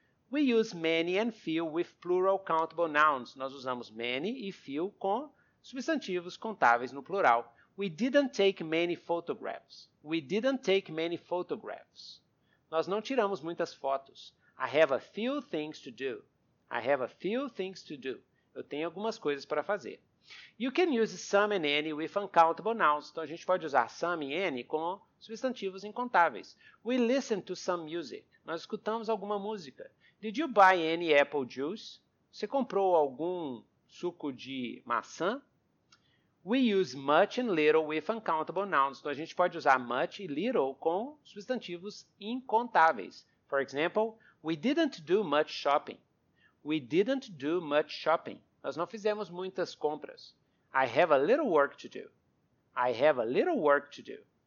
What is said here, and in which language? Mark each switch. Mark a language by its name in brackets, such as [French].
[English] We use many and few with plural countable nouns. [Portuguese] Nós usamos many e few com substantivos contáveis no plural. [English] We didn't take many photographs. We didn't take many photographs. [Portuguese] Nós não tiramos muitas fotos. [English] I have a few things to do. I have a few things to do. [Portuguese] Eu tenho algumas coisas para fazer. [English] You can use some and any with uncountable nouns. [Portuguese] Então, a gente pode usar some e any com substantivos incontáveis. [English] We listen to some music. [Portuguese] Nós escutamos alguma música. [English] Did you buy any apple juice? [Portuguese] Você comprou algum suco de maçã? [English] We use much and little with uncountable nouns. [Portuguese] Então, a gente pode usar much e little com substantivos incontáveis. [English] For example, we didn't do much shopping. We didn't do much shopping. [Portuguese] Nós não fizemos muitas compras. [English] I have a little work to do. I have a little work to do.